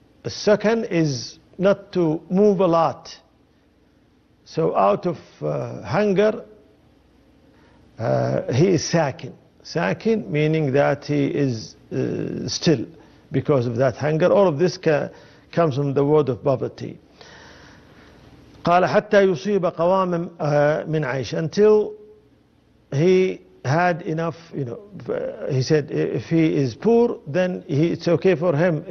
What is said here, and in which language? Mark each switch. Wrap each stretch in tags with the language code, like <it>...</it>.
<en>A second is not to move a lot. So out of hunger, he is ساكن. ساكن meaning that he is still because of that hunger. All of this comes from the word of poverty.</en> <ar>قال حتى يصيب قواما من عيش.</ar> <en>Until he had enough, you know, he said if he is poor, then it's okay for him.</en>